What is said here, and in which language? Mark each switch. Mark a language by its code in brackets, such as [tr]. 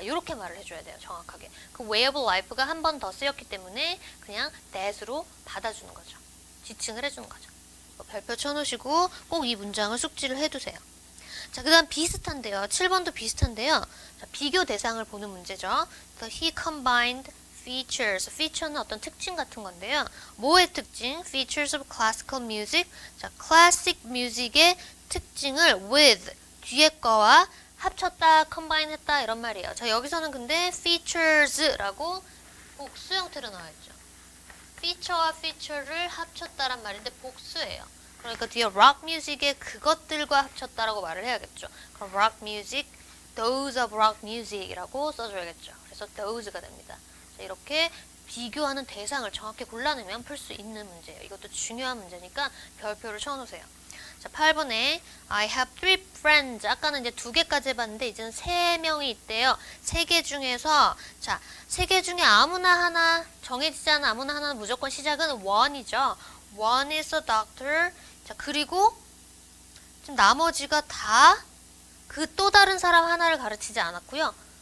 [ko] 이렇게 말을 해줘야 돼요, 정확하게. 그 [en] way of life [ko] 가 한번더 쓰였기 때문에 그냥 that으로 받아주는 거죠. 지칭을 해주는 거죠. 별표 쳐놓으시고 꼭이 문장을 숙지를 해두세요. 자, 그다음 비슷한데요. 7번도 비슷한데요. 자, 비교 대상을 보는 문제죠. [en] So he combined features. [ko] Feature는 어떤 특징 같은 건데요. 뭐의 특징? [en] Features of classical music. [ko] 자, classic music의 특징을 with 뒤에 거와 합쳤다, combine 했다 이런 말이에요. 자, 여기서는 근데 features라고 복수 형태로 나와있죠. feature와 feature를 합쳤다란 말인데 복수예요. 그러니까 뒤에 rock music의 그것들과 합쳤다라고 말을 해야겠죠. 그럼 rock music, [en] those of rock music [ko] 이라고 써줘야겠죠. 그래서 those가 됩니다. 자, 이렇게 비교하는 대상을 정확히 골라내면 풀수 있는 문제예요. 이것도 중요한 문제니까 별표를 쳐놓으세요. 자, 8번에 [en] I have three friends. [ko] 아까는 이제 두 개까지 해봤는데 이제는 세 명이 있대요. 세개 중에서 자, 세개 중에 아무나 하나 정해지지 않은 아무나 하나는 무조건 시작은 one이죠. [en] One is a doctor. [ko] 자, 그리고 지금 나머지가 다그또 다른 사람 하나를 가르치지 않았고요.